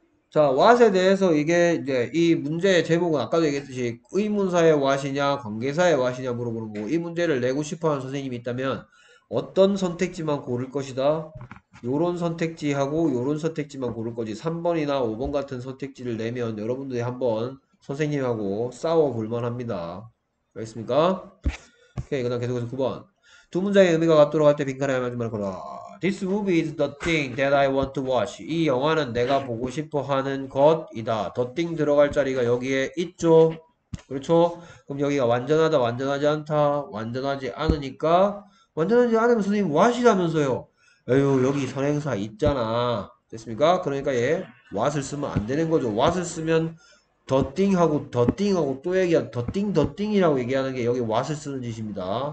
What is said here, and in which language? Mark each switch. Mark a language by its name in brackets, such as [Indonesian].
[Korean] 자, what에 대해서 이게 이제 이 문제의 제목은 아까도 얘기했듯이 의문사의 what이냐 관계사의 what이냐 물어보는 거고 이 문제를 내고 싶어하는 선생님이 있다면 어떤 선택지만 고를 것이다? 요런 선택지하고 요런 선택지만 고를 거지. 3번이나 5번 같은 선택지를 내면 여러분들이 한번 선생님하고 싸워볼 만합니다. 알겠습니까? 오케이, 그 다음 계속해서 9번. 두 문장의 의미가 같도록 할때 빈칸에 마지막으로 걸어. [English] This movie is the thing that I want to watch. [Korean] 이 영화는 내가 보고 싶어 하는 것이다. The thing 들어갈 자리가 여기에 있죠. 그렇죠? 그럼 여기가 완전하다, 완전하지 않다, 완전하지 않으니까 완전하지 않으면 선생님 what이라면서요. 에휴, 여기 선행사 있잖아. 됐습니까? 그러니까 얘 what을 쓰면 안 되는 거죠. what을 쓰면 the thing하고 또 얘기한 the thing이라고 얘기하는 게 여기 what을 쓰는 짓입니다.